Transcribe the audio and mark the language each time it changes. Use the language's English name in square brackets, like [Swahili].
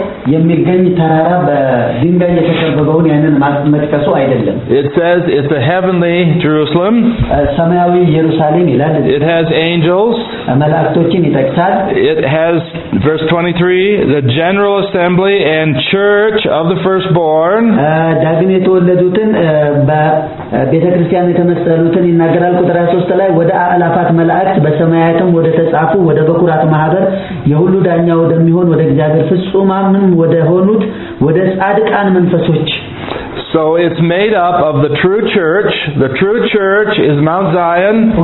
[Amharic] የሚገኝ ተራራ በድንጋይ የተከበበውን ያንን መጥቀሱ አይደለም። [English] It says it's a heavenly Jerusalem. [Amharic] ሰማያዊ ኢየሩሳሌም ይላል። [English] It has angels. [Amharic] መላእክቶችን ይጠቅሳል። [English] It has verse 23 the general assembly and church of the firstborn. [Amharic] ዳግም የተወለዱትን በቤተክርስቲያን የተመሰሉትን ይናገራል። ቁጥር 23 ላይ ወደ አላፋት መላእክት በሰማያትም ወደ ተጻፉ ወደ በኩራት ማህበር የሁሉ ዳኛ ወደሚሆን ወደ እግዚአብሔር ፍጹም ምን ወደ ሆኑት ወደ ጻድቃን መንፈሶች [English] So it's made up of the true church. The true church is Mount Zion.